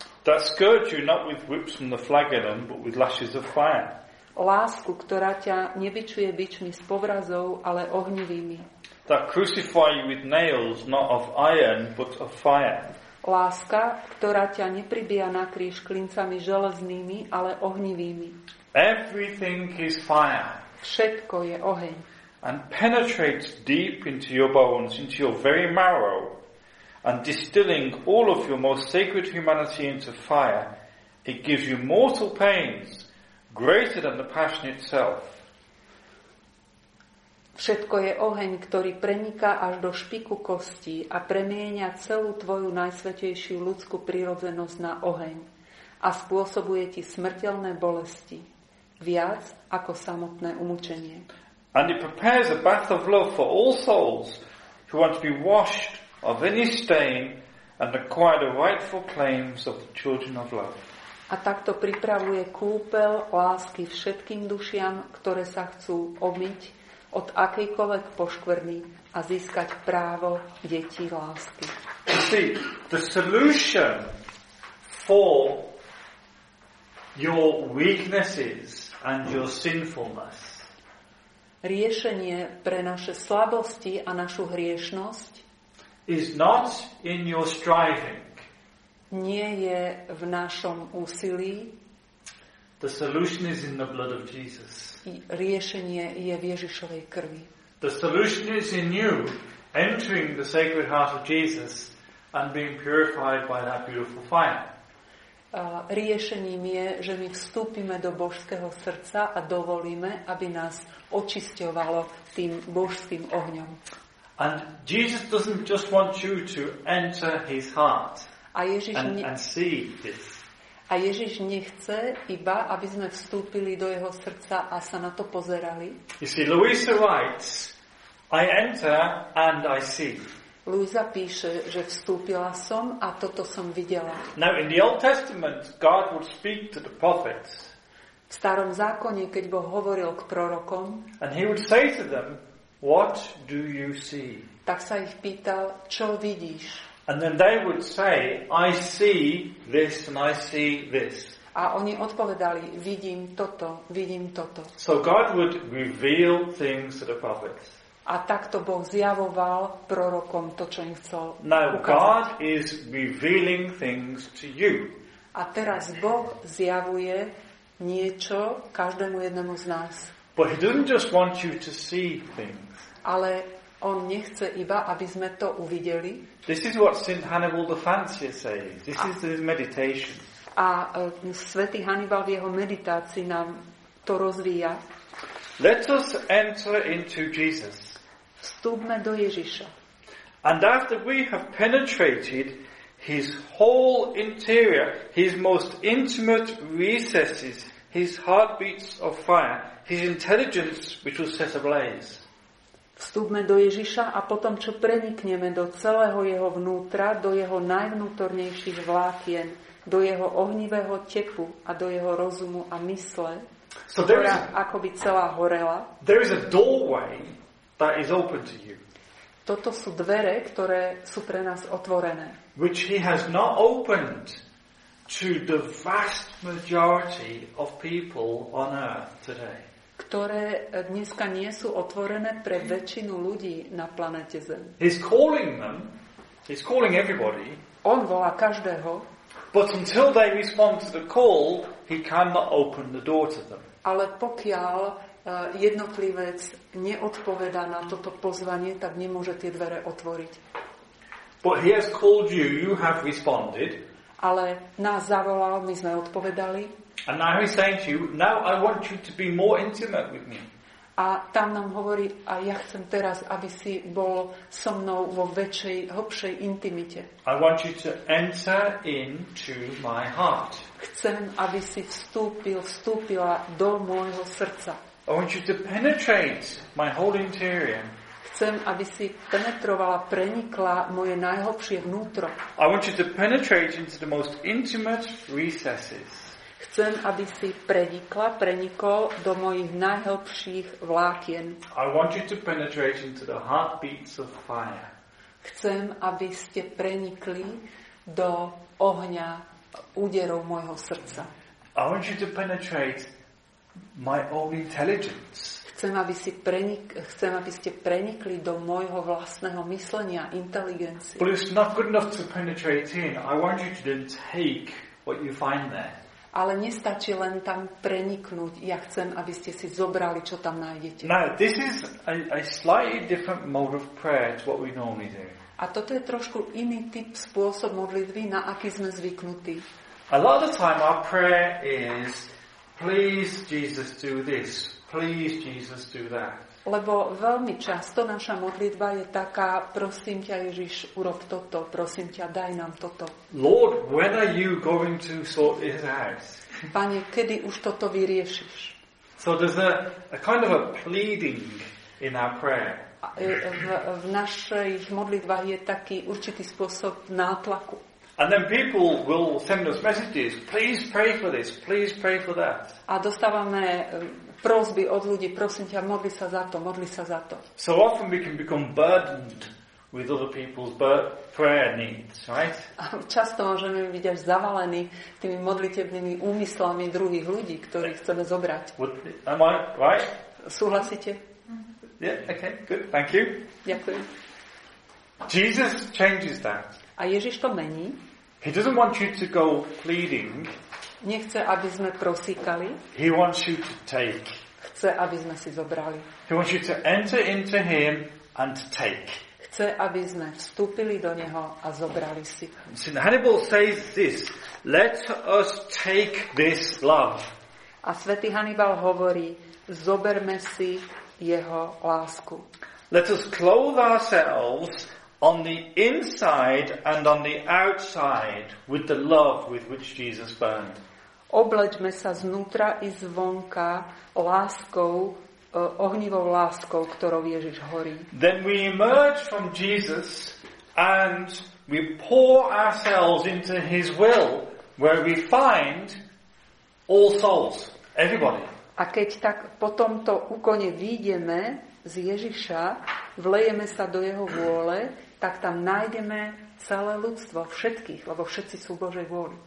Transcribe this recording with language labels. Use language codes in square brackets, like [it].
[en] That scourge you not with whips from the flagellum, but with lashes of fire. [sk] Lásku, ktorá ťa nebičuje bičmi s povrazov, ale ohnivými. [en] That crucify you with nails, not of iron, but of fire. [sk] Láska, ktorá ťa nepribíja na kríž klincami železnými, ale ohnivými. [en] Everything is fire. [sk] Všetko je oheň. [en] And penetrates deep into your bones, into your very marrow, and distilling all of your most sacred humanity into fire, it gives you mortal pains, greater than the passion itself. [sk] Všetko je oheň, ktorý preniká až do špiku kostí a premieňa celú tvoju najsvetejšiu ľudskú prirodzenosť na oheň a spôsobuje ti smrteľné bolesti, viac ako samotné umučenie. [en] And it prepares a bath of love for all souls who want to be washed of any stain and acquire the rightful claims of the children of love. [sk] A takto pripravuje kúpeľ lásky všetkým dušiam, ktoré sa chcú obmyť od akejkoľvek poškvrny a získať právo detí lásky. [en] See, the solution for your weaknesses and your sinfulness. [sk] Riešenie pre naše slabosti a našu hriešnosť [en] is not in your striving. [sk] Nie je v našom úsilí. [en] The solution is in the blood of Jesus. [sk] Riešenie je v Ježišovej krvi. [en] The solution is in you entering the sacred heart of Jesus and being purified by that beautiful fire. [sk] Riešením je, že my vstúpime do božského srdca a dovolíme, aby nás očisťovalo tým božským ohňom. [en] And Jesus doesn't just want you to enter his heart and see this. [sk] A Ježiš nechce iba, aby sme vstúpili do jeho srdca a sa na to pozerali. [en] You see, Louisa writes, I enter and I see. [sk] Louisa píše, že vstúpila som a toto som videla. [en] Now, in the Old Testament, God would speak to the prophets. [sk] V starom zákone, keď Boh hovoril k prorokom, [en] and he would say to them, what do you see? [sk] Tak sa ich pýtal, čo vidíš? [en] And then they would say, I see this and I see this. [sk] A oni odpovedali, vidím toto, vidím toto. [en] So God would reveal things to the prophets. [sk] A takto Boh zjavoval prorokom to, čo im chcel ukázať. [en] Now God is revealing things to you. [sk] A teraz Boh zjavuje niečo každému jednému z nás. [en] But he doesn't just want you to see things. [sk] Ale on nechce iba, aby sme to uvideli. [en] This is what St. Hannibal the Fancier says. This is his meditation. [sk] A svätý Hannibal v jeho meditácii nám to rozvíja. [en] Let us enter into Jesus. [sk] Vstúpme do Ježiša. [en] And after we have penetrated his whole interior, his most intimate recesses, his heartbeats of fire, his intelligence which was set ablaze. [sk] Vstúpme do Ježiša a potom, čo prenikneme do celého jeho vnútra, do jeho najvnútornejších vlákien, do jeho ohnivého teku a do jeho rozumu a mysle, [en] so [sk] ktorá akoby celá horela. [en] There is a doorway that is open to you. [sk] Toto sú dvere, ktoré sú pre nás otvorené. [en] Which he has not opened to the vast majority of people on earth today. [sk] Ktoré dneska nie sú otvorené pre väčšinu ľudí na planete Zem. [en] He's calling them. He's calling everybody. [sk] On volá každého. [en] But until they respond to the call, he cannot open the door to them. [sk] Ale pokiaľ jednotlivec neodpovedá na toto pozvanie, tak nemôže tie dvere otvoriť. [en] But he has called you, you have responded. [sk] Ale nás zavolal, my sme odpovedali. [en] And now he's saying to you, now I want you to be more intimate with me. [sk] A tam nám hovorí, a ja chcem teraz, aby si bol so mnou vo väčšej, hlbšej intimite. [en] I want you to enter into my heart. [sk] Chcem, aby si vstúpila do môjho srdca. [en] I want you to penetrate my whole interior. [sk] Chcem, aby si penetrovala, prenikla moje najhlbšie vnútro. [en] I want you to penetrate into the most intimate recesses. [sk] Chcem, aby si prenikla, prenikol do mojich najhlbších vlákien. [en] I want you to penetrate into the heartbeats of fire. [sk] Chcem, aby ste prenikli do ohňa úderov môjho srdca. [en] I want you to penetrate my own intelligence. [sk] Chcem, aby ste prenikli do môjho vlastného myslenia, inteligencie. [en] But it's not good enough to penetrate in. I want you to then take what you find there. [sk] Ale nestačí len tam preniknúť. Ja chcem, aby ste si zobrali, čo tam nájdete. [en] Now, this is a slightly different mode of prayer to what we normally do. [sk] A toto je trošku iný typ spôsob modlitby, na aký sme zvyknutí. [en] A lot of the time our prayer is, please Jesus do this, please Jesus do that. [sk] Lebo veľmi často naša modlitba je taká, prosím ťa Ježiš, urob toto, prosím ťa, daj nám toto. [en] Lord, when are you going to sort this out? [sk] Pane, kedy už toto vyriešiš? [en] So there's a kind of a pleading in our prayer. [sk] V našich modlitbách je taký určitý spôsob nátlaku. [en] And then people will send us messages, please pray for this, please pray for that. [sk] A dostávame prosby od ľudí, prosím ťa, modli sa za to, modli sa za to. [en] So often we can become burdened with other people's prayer needs, right? [sk] A často môžeme byť až zavalení tými modlitebnými úmyslami druhých ľudí, ktorých chceme zobrať. [en] Am I right? [sk] Súhlasíte? [en] Yeah, okay, good, thank you. [sk] Ďakujem. [en] Jesus changes that. [sk] A Ježiš to mení. [en] He doesn't want you to go pleading. [sk] Nechce, aby sme prosíkali. [en] He wants you to take. [sk] Chce, aby sme si zobrali. [en] He wants you to enter into him and take. [sk] Chce, aby sme vstúpili do neho a zobrali si. [en] St. Hannibal says this, let us take this love. [sk] A svätý Hannibal hovorí, zoberme si jeho lásku. [en] Let us clothe ourselves on the inside and on the outside with the love with which Jesus burned. [sk] Obleďme sa znútra i zvonka láskou, ohnivou láskou, ktorou Ježiš horí. [en] Then we emerge from Jesus and we pour ourselves into his will where we find all souls, everybody. [sk] A keď tak po tomto úkone vyjdeme z Ježiša, vlejeme sa do jeho vôle, tak tam nájdeme celé ľudstvo, všetkých, lebo všetci sú Božej vôli.